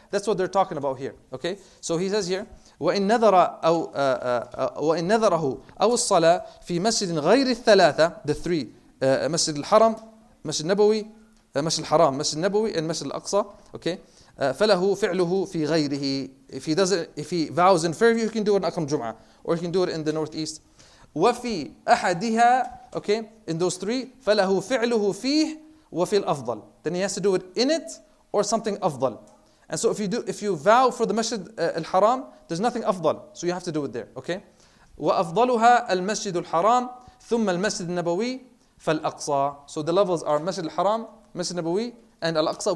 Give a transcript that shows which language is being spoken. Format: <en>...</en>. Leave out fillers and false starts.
<en>That's what they're talking about here. Okay? So he says here,</en> <ar>وَإِن نَذَرَ أَوْ وَإِن نَذَرَهُ أَوْ الصَّلَى فِي مَسْجِدٍ غَيْرِ الثَّلَاثَةِ,</ar> <en>the three, Masjid al-Haram, Masjid al-Nabawi, Masjid al-Haram, Masjid al-Nabawi, and Masjid al-Aqsa. Okay?</en> <ar>فَلَهُ فِعْلُهُ فِي غَيْرِهِ.</ar> <en>If he does it, if he vows in Fairview, he can do it in Akram Jum'ah, or he can do it in the Northeast.</en> <ar>وَفِي أَحَدِهَا,</ar> <en>okay, in those three,</en> <ar>فَلَهُ فِعْلُهُ فِيهِ وَفِي الْأَفْضَلِ.</ar> <en>Then he has to do it in it, or something afdal. And so if you vow for the Masjid al-Haram, there's nothing afdal, so you have to do it there. Okay?</en> <ar>وَأَفْضَلُهَا الْمَسْجِدُ الْحَرَامِ ثُمَّ الْمَسْجِدُ النَّبَوِي فَالْأَقْصَى.</ar> <en>So the levels are Masjid al-Haram, Masjid al-Nabawi, and Al-Aqsa.</en>